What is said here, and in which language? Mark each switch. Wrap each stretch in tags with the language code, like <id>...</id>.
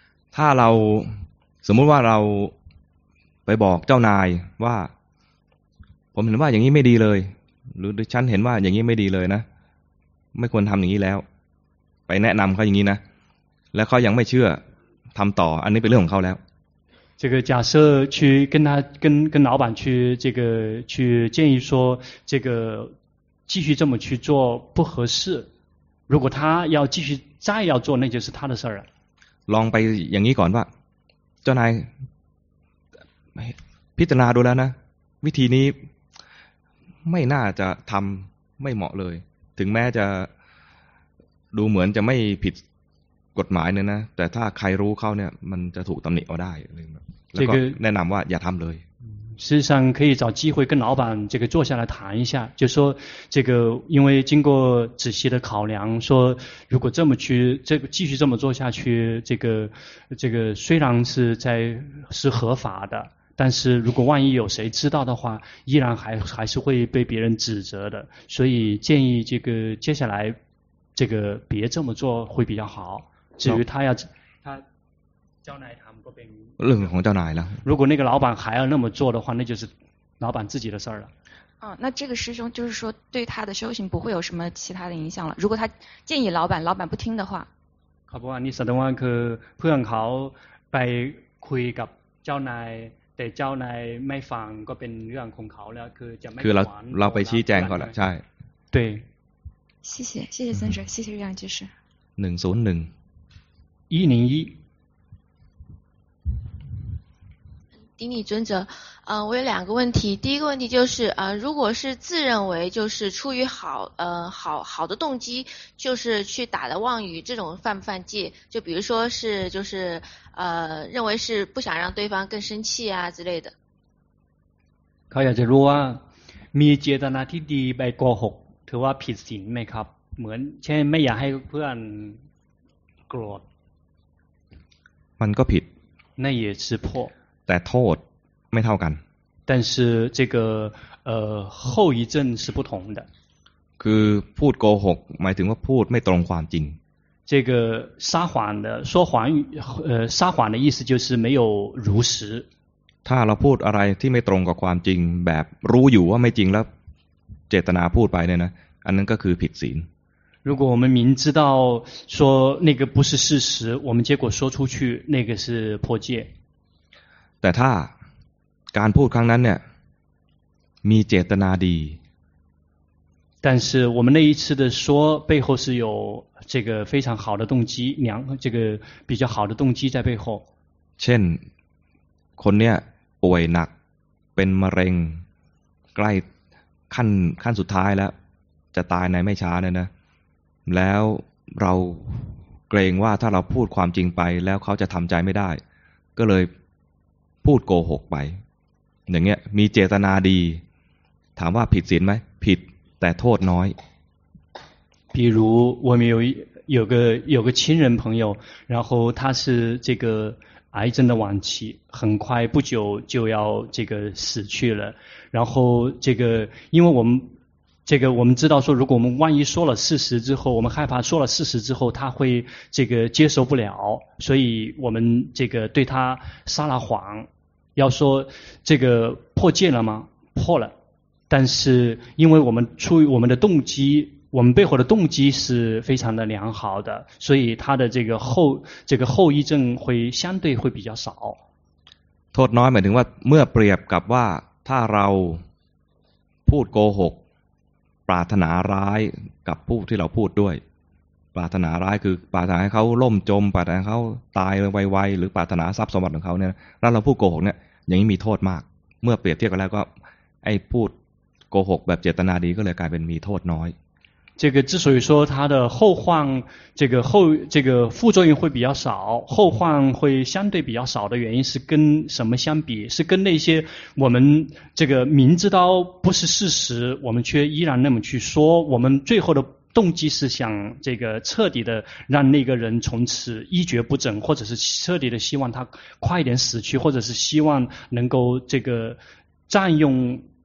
<zh>他老什么话老被保照奶哇我们的话应该没地了如果穿很话应该没地了呢没管他们一来白那样快应该呢来快养没去他们倒按那边用好了这个假设去跟他跟老板去这个去建议说这个继续这么去做不合适如果他要继续再要做那就是他的事儿了</zh> <th>ลองไปอย่างนี้ก่อนว่าเจ้านายพิจารณาดูแล้วนะวิธีนี้ไม่น่าจะทำไม่เหมาะเลยถึงแม้จะ ดูเหมือนจะไม่ผิดกฎหมายเนี่ยนะแต่ถ้าใครรู้เข้าเนี่ยมันจะถูกตำหนิเอาได้แล้วก็แนะนำว่าอย่าทำเลย</th> <zh>事实上可以找机会跟老板这个坐下来谈一下，就说这个因为经过仔细的考量，说如果这么去这个继续这么做下去，这个虽然是在是合法的，但是如果万一有谁知道的话，依然还是会被别人指责的，所以建议这个接下来这个别这么做会比较好。至于他要他交奶糖。</zh> <th>เรื่องของเจ้านายแล้ว ถ้าคนนั้นก็</th> <zh>老板还要那么做的话那就是老板自己的事儿了那这个师兄就是说对他的修行不会有什么其他的影响了如果他建议老板老板不听的话</zh> <th>ครับว่านี่แสดงว่าคือเพื่อนเขาไปคุยกับเจ้านายแต่เจ้านายไม่ฟังก็เป็นเรื่องของเขาแล้วคือจะไม่ คือเราไปชี้แจงเขาแล้วใช่</th> <zh>对谢谢尊者谢谢玉阳居士 101 顶礼尊者我有两个问题第一个问题就是如果是自认为就是出于好的动机就是去打了妄语这种犯不犯戒就比如说是就是认为是不想让对方更生气啊之类的</zh> <th>เขาอยากจะรู้ว่ามีเจตนาที่ดีไปโกหกถือว่าผิดศีลไหมครับเหมือนเช่นไม่อยากให้เพื่อนโกรธ มันก็ผิด</th> <zh>那也是破</zh> <th>แต่โทษไม่เท่ากัน</th> <zh>但是这个后遗症是不同的</zh> <th>คือพูดโกหกหมายถึงว่าพูดไม่ตรงความจริง</th> <zh>这个撒谎的说谎撒谎的意思就是没有如实</zh> <th>ถ้าเราพูดอะไรที่ไม่ตรงกับความจริงแบบรู้อยู่ว่าไม่จริงแล้วเจตนาพูดไปเนี่ยนะอันนั้นก็คือผิดศีล</th> <zh>如果我们明知道说那个不是事实我们结果说出去那个是破戒</zh> <th>แต่ถ้าการพูดครั้งนั้นเนี่ยมีเจตนาดี</th> <zh>但是我们那一次的说背后是有这个非常好的动机两这个比较好的动机在背后</zh> <th>เช่นคนเนี่ยป่วยหนักเป็นมะเร็งใกล้ขั้นสุดท้ายแล้วจะตายในไม่ช้าเนี่ยนะแล้วเราเกรงว่าถ้าเราพูดความจริงไปแล้วเขาจะทำใจไม่ได้ก็เลยพูดโกหกไปอย่างเงี้ยมีเจตนาดีถามว่าผิดศีลไหมผิดแต่โทษน้อย</th> <zh>比如我们有个亲人朋友然后他是这个癌症的晚期很快不久就要这个死去了然后这个因为我们知道说如果我们万一说了事实之后我们害怕说了事实之后他会这个接受不了所以我们这个对他撒了谎要说这个破戒了吗破了但是因为我们出于我们的动机我们背后的动机是非常的良好的所以他的这个后遗症会相对会比较少</zh> <th>โทษน้อยหมายถึงว่าเมื่อเปรียบกับว่าถ้าเราพูดโกหกปรารถนาร้ายกับผู้ที่เราพูดด้วยปรารถนาร้ายคือปรารถนาให้เขาล่มจมปรารถนาให้เขาตายไวๆหรือปรารถนาทรัพย์สมบัติของเขาเนี่ยถ้าเราพูดโกหกเนี่ยอย่างนี้มีโทษมากเมื่อเปรียบเทียบกันแล้วก็ไอ้พูดโกหกแบบเจตนาดีก็เลยกลายเป็นมีโทษน้อย</th> <zh>这个之所以说它的后患这个后这个副作用会比较少后患会相对比较少的原因是跟什么相比是跟那些我们这个明知道不是事实我们却依然那么去说我们最后的动机是想这个彻底的让那个人从此一蹶不振或者是彻底的希望他快一点死去或者是希望能够这个占用</zh>